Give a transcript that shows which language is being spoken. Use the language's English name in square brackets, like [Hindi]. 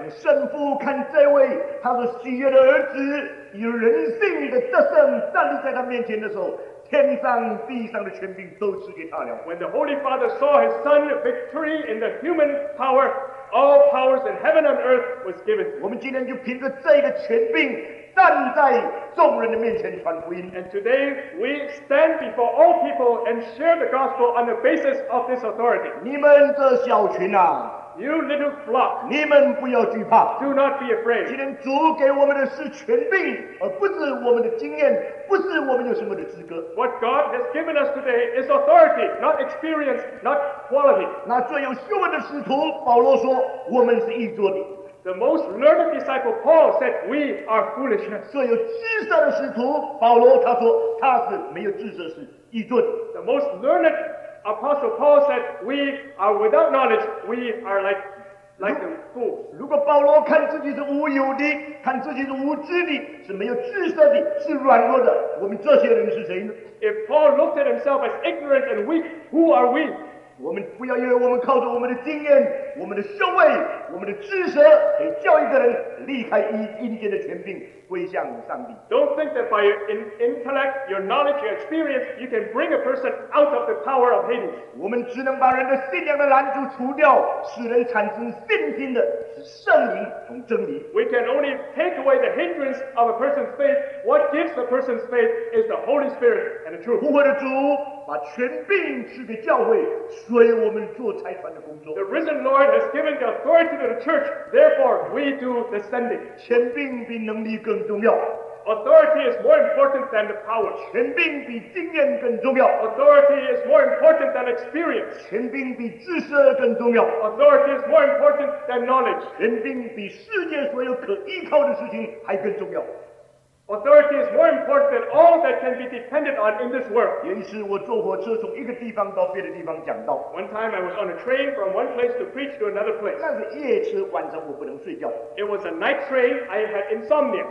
[English] When the Holy Father saw His Son victory in the human power, all powers in heaven and earth was given. [Chinese] 我们今天就凭着这个权柄 站在众人的面前传福音。 [English] And today we stand before all people and share the gospel on the basis of this authority. [Chinese] 你们这小群啊, [English] you little flock, [Chinese] 你们不要惧怕, [English] do not be afraid. [Chinese] 今天主给我们的是权柄, 而不是我们的经验, 不是我们有什么的资格。 [English] What God has given us today is authority, not experience, not quality. [Chinese] 那最有学问的使徒, 保罗说, 我们是异作的。 [English] The most learned disciple Paul said, we are foolishness. [Chinese] 最有知识的使徒, 保罗他说, 他是没有知识是异准。 [English] The most learned apostle Paul said, we are without knowledge, we are like the fool. [Chinese] 如果保罗看自己是无有的, 看自己是无知的, 是没有知识的, 是软弱的, 我们这些人是谁呢? [English] If Paul looked at himself as ignorant and weak, who are we? [Chinese] 我们不要以为我们靠着我们的经验, 我们的修为, 我们的知识, 可以叫一个人离开阴间的权柄, 归向上帝。 [English] Don't think that by your intellect, your knowledge, your experience, you can bring a person out of the power of Hades. [Chinese] 我们只能把人的信仰的拦阻除掉, 使人产生信心的, 使圣灵从真理。 [English] We can only take away the hindrance of a person's faith. What gives a person's faith is the Holy Spirit and the truth. [Chinese] 复活的主, 把权柄赐给教会, [English] the risen Lord has given the authority to the church, therefore we do the sending. [Chinese] 权柄比能力更重要。 [English] Authority is more important than the power. [Chinese] 权柄比经验更重要。 [English] Authority is more important than experience. [Chinese] 权柄比知识更重要。 [English] Authority is more important than knowledge. [Chinese] 权柄比世界所有可依靠的事情还更重要。 [English] Authority is more important than all that can be depended on in this world. [Chinese] 也是我坐火车从一个地方到别的地方讲道。 [English] One time I was on a train from one place to preach to another place. [Chinese] 那是夜车，晚上我不能睡觉。 [English] It was a night train, I had insomnia.